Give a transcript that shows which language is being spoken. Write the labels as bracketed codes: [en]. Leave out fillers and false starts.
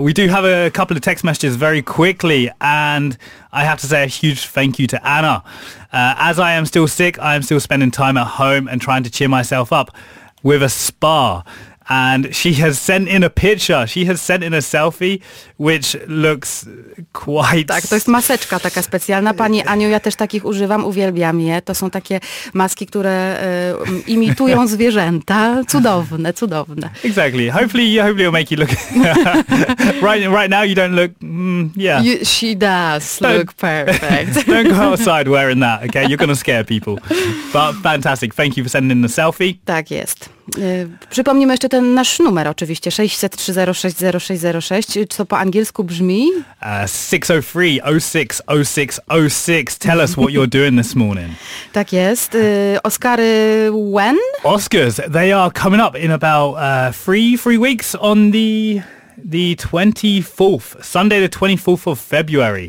[en] We do have a couple of text messages very quickly, and I have to say a huge thank you to Anna. As I am still sick, I am still spending time at home and trying to cheer myself up with a spa. And she has sent in a picture. She has sent in a selfie, which looks quite... [pl] Tak, to jest maseczka taka specjalna. Pani Aniu, ja też takich używam, uwielbiam je. To są takie maski, które imitują zwierzęta. Cudowne, cudowne. [en] Exactly. Hopefully it'll make you look... right now you don't look... yeah. She does look perfect. Don't go outside wearing that, okay? You're going to scare people. But fantastic. Thank you for sending in the selfie. [pl] Tak jest. Przypomnijmy jeszcze ten nasz numer oczywiście, 603060606, co po angielsku brzmi? [en] 603-060606, tell us what you're doing this morning. [pl] Tak jest. Oscary when? [en] Oscars, they are coming up in about three weeks on the 24th, Sunday the 24th of February.